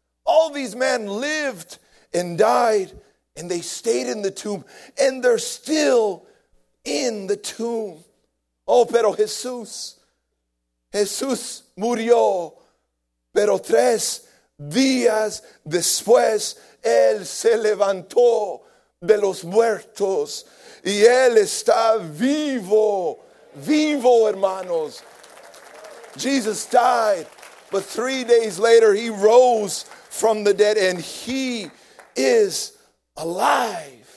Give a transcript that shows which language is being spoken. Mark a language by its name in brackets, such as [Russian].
[English] All these men lived and died and they stayed in the tomb and they're still in the tomb. [Spanish] Oh, pero Jesús murió, pero tres días después Él se levantó de los muertos y Él está vivo, vivo, hermanos. [English] Jesus died, but 3 days later He rose from the dead and He is alive.